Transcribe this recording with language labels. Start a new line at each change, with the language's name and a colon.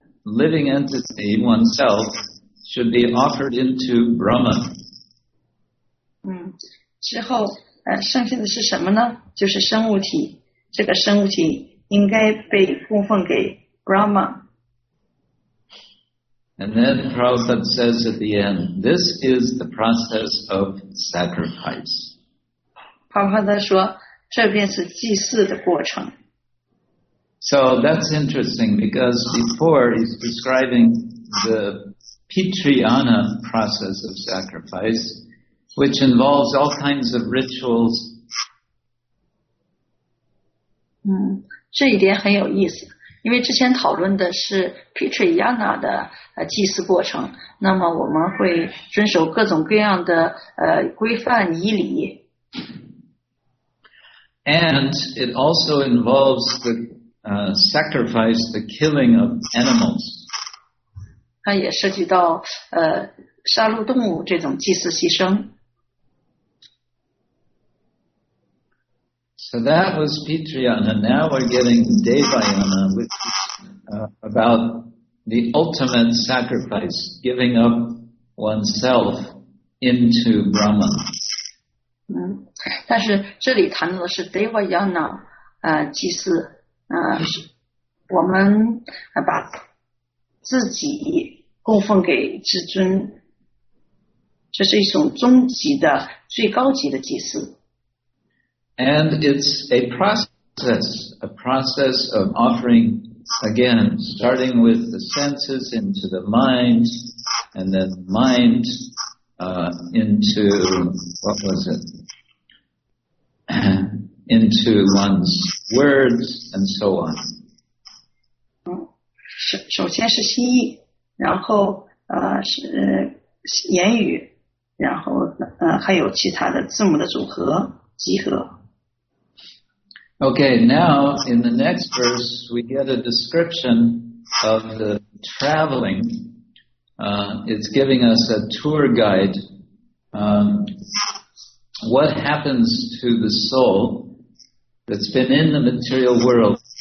English: living entity oneself should be offered into Brahman.
Chinese: 之后剩下的是什么呢？就是生物体，这个生物体应该被供奉给 Brahman.
English: And then Prabhupada says at the end, this is the process of sacrifice.
Chinese: Prabhupada 说，这便是祭祀的过程。
English: So that's interesting because before he's describing the Pitriyana process of sacrifice, which involves all kinds of rituals.
Chinese: 这一点很有意思，因为之前讨论的是 Pitrayana 的祭祀过程，那么我们会遵守各种各样的规范仪礼。
English: And it also involves the sacrifice, the killing of animals.
Chinese: 它也涉及到杀戮动物这种祭祀牺牲。
English: So that was Pitrayana. Now we're getting Devayana, which is about the ultimate sacrifice, giving up oneself into Brahma.
Chinese: 但是这里谈的是 Devayana 祭祀，我们把自己供奉给至尊，这是一种终极的最高级的祭祀。
English: And it's a process of offering, again, starting with the senses into the mind, and then mind into, what was it? into one's words, and so on.
Chinese: 首先是心意，然后是言语，然后还有其他的字母的组合，集合。
English: Okay, now in the next verse, we get a description of the traveling. It's giving us a tour guide. What happens to the soul that's been in the material world?